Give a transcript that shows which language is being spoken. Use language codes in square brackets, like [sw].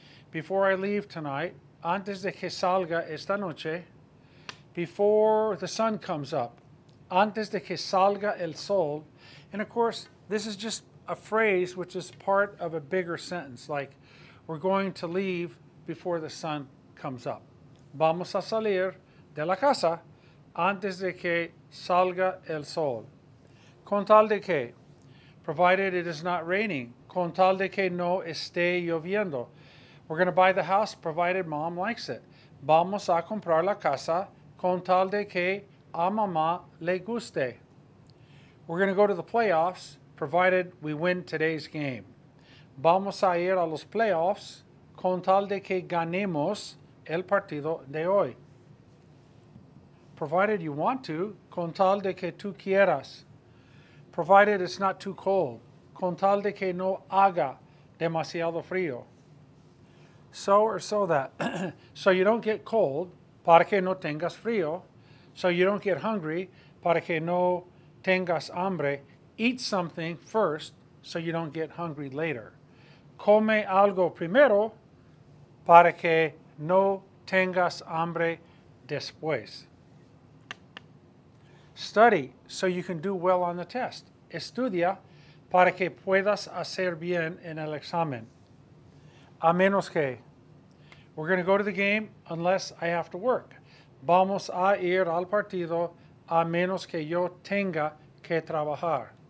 [en] Before I leave tonight, [es] antes de que salga esta noche, [en] before the sun comes up, [es] antes de que salga el sol. [en] And of course, this is just a phrase which is part of a bigger sentence, like we're going to leave before the sun comes up. [es] Vamos a salir de la casa antes de que salga el sol. Con tal de que, [en] provided it is not raining. [es] Con tal de que no esté lloviendo. [en] We're going to buy the house provided mom likes it. [es] Vamos a comprar la casa con tal de que a mamá le guste. [en] We're going to go to the playoffs provided we win today's game. [es] Vamos a ir a los playoffs con tal de que ganemos el partido de hoy. [en] Provided you want to, [es] con tal de que tú quieras. [en] Provided it's not too cold, [es] con tal de que no haga demasiado frío. [en] So or so that, so you don't get cold, [es] para que no tengas frío, [en] so you don't get hungry, [es] para que no tengas hambre, [en] eat something first, so you don't get hungry later. [es] Come algo primero, para que no tengas hambre después. [en] Study, so you can do well on the test. [es] Estudia, para que puedas hacer bien en el examen. A menos que. [en] We're going to go to the game unless I have to work. [es] Vamos a ir al partido a menos que yo tenga que trabajar.